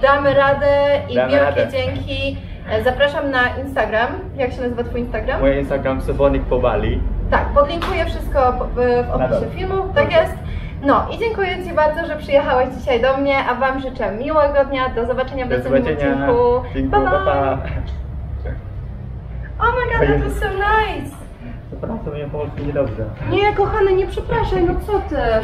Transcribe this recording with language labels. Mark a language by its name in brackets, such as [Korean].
[Polish] Damy radę i wielkie dzięki. Zapraszam na Instagram. Jak się nazywa twój Instagram? Mój Instagram Sybonik po Bali. Tak, podlinkuję wszystko w opisie filmu. Tak jest. No i dziękuję ci bardzo, że przyjechałeś dzisiaj do mnie, a wam życzę miłego dnia. Do zobaczenia w następnym odcinku. Dziękuję, pa. [English] Oh my god, that was so nice. [Polish] Przepraszam, ja po polsku niedobrze. Nie, kochany, nie przepraszaj, no co ty?